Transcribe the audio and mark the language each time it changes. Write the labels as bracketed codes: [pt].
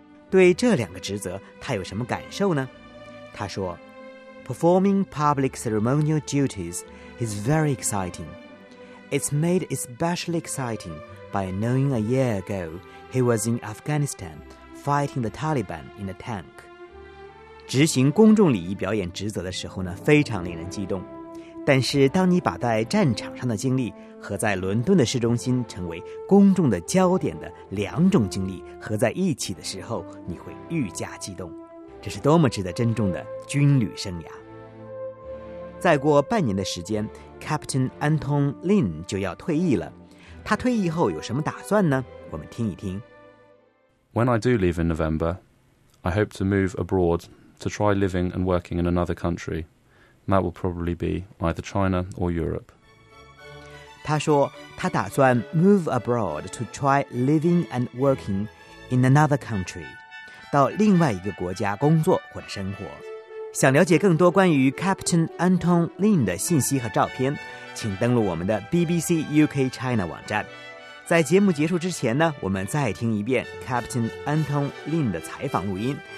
[zh] 对这两个职责他有什么感受呢？他说， [en] Performing public ceremonial duties is very exciting. It's made especially exciting by knowing a year ago he was in Afghanistan. Fighting the Taliban in a tank. [zh] 执行公众礼仪表演职责的时候呢，非常令人激动。但是当你把在战场上的经历和在伦敦的市中心成为公众的焦点的两种经历合在一起的时候，你会愈加激动。这是多么值得珍重的军旅生涯。再过半年的时间， Captain Anton Lin 就要退役了。他退役后有什么打算呢？我们听一听。 [en] When I do leave in November, I hope to move abroad to try living and working in another country. That will probably be either China or Europe. [zh] 他说他打算 [en] move abroad to try living and working in another country, [zh] 到另外一个国家工作或者生活。想了解更多关于 Captain Anton Lin 的信息和照片，请登录我们的 BBC UK China 网站。在节目结束之前呢，我们再听一遍 Captain Anton Lin 的采访录音。